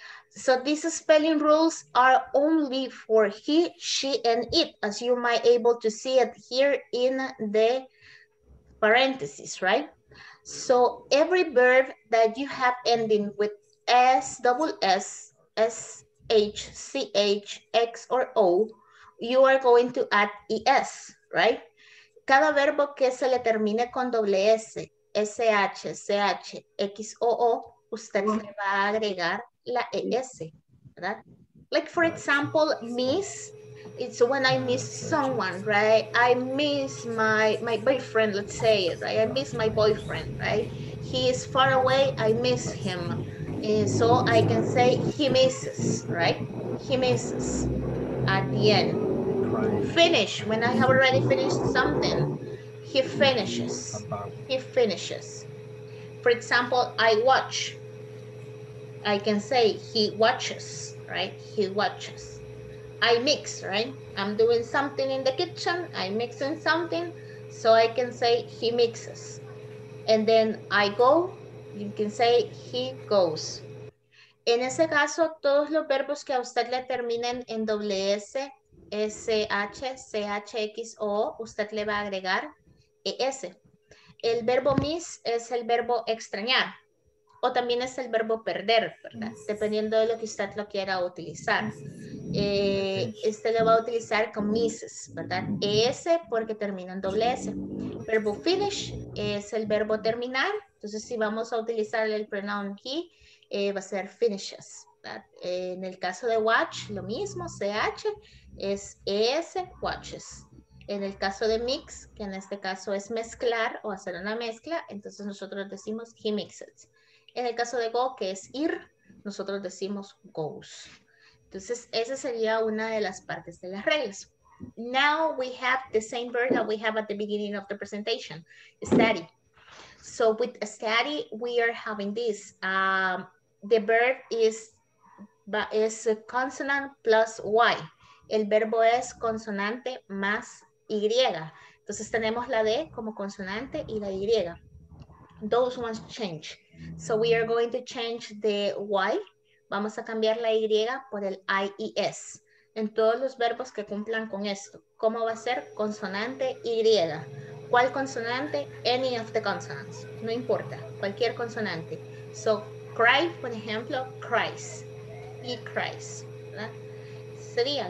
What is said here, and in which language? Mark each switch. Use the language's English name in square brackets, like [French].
[English] So these spelling rules are only for he, she, and it, as you might able to see it here in the parentheses, right? So every verb that you have ending with S, double S, S, H, C, H, X, or O, you are going to add ES, right? [Spanish] Cada verbo que se le termine con doble S, S, H, C, H, X, O, O, usted le va a agregar la ES, ¿verdad? [English] Like for example, miss, it's when I miss someone, right? I miss my boyfriend, let's say it, right? I miss my boyfriend, right? He is far away, I miss him. And so I can say he misses, right? He misses at the end. Finish, when I have already finished something, he finishes, he finishes. For example, I watch. I can say he watches, right? He watches. I mix, right? I'm doing something in the kitchen, I'm mixing something, so I can say he mixes. And then I go, you can say he goes. [Spanish] En ese caso, todos los verbos que a usted le terminen en doble S, S, H, C, H, X, O, usted le va a agregar ES. El verbo miss es el verbo extrañar. O también es el verbo perder, ¿verdad? Yes. Dependiendo de lo que usted lo quiera utilizar. Este lo va a utilizar con misses, ¿verdad? ES porque termina en doble S. Verbo finish es el verbo terminar. Entonces, si vamos a utilizar el pronoun he, va a ser finishes, ¿verdad? En el caso de watch, lo mismo, CH, es ES, watches. En el caso de mix, que en este caso es mezclar o hacer una mezcla, entonces nosotros decimos he mixes. En el caso de go, que es ir, nosotros decimos goes. Entonces, esa sería una de las partes de las reglas. [English] Now we have the same verb that we have at the beginning of the presentation, study. So with study, we are having this. The verb is consonant plus Y. [Spanish] El verbo es consonante más Y. Entonces, tenemos la D como consonante y la Y. [English] Those ones change. So we are going to change the Y. [Spanish] Vamos a cambiar la Y por el IES. En todos los verbos que cumplan con esto. ¿Cómo va a ser? Consonante Y. ¿Cuál consonante? [English] Any of the consonants. [Spanish] No importa. Cualquier consonante. [English] So cry, por ejemplo, cries. He cries. ¿Verdad? Sería.